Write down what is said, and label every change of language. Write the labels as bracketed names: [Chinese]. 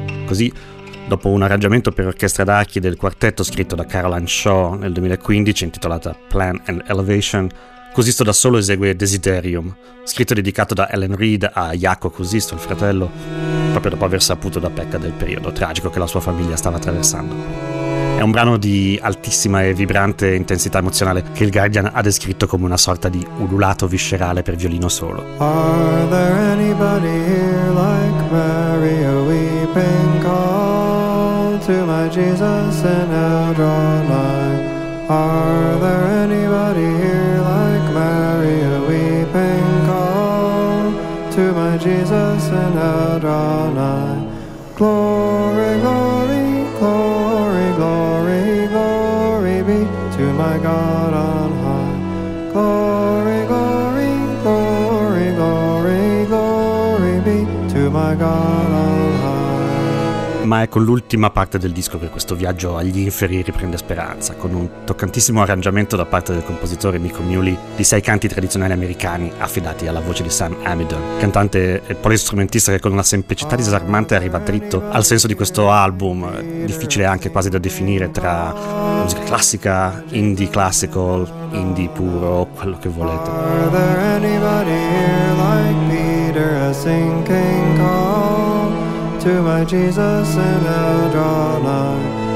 [Italian] Così, dopo un arrangiamento per orchestra d'archi del quartetto scritto da Caroline Shaw nel 2015 intitolata Plan and Elevation, Kuusisto da solo esegue Desiderium, scritto e dedicato da Ellen Reed a Jaakko Kuusisto, il fratello, proprio dopo aver saputo da Pekka del periodo tragico che la sua famiglia stava attraversando. È un brano di altissima e vibrante intensità emozionale che il Guardian ha descritto come una sorta di ululato viscerale per violino solo. [English] Are there anybody here like Mary, a weeping call to my Jesus and I'll draw nigh? Are there anybody here like Mary, a weeping call to my Jesus and I'll draw nigh? Glory, glory, glory. My God on high, glory, glory, glory, glory, glory be to my God on high. [Italian] Ma è con l'ultima parte del disco che questo viaggio agli inferi riprende speranza, con un toccantissimo arrangiamento da parte del compositore Mico Muley di 6 canti tradizionali americani affidati alla voce di Sam Amidon, cantante e polistrumentista che con una semplicità disarmante arriva dritto al senso di questo album, difficile anche quasi da definire tra musica classica, indie classical, indie puro, quello che volete. [English] Are there anybody here like Peter, a sinking call to my Jesus and I'll draw nigh?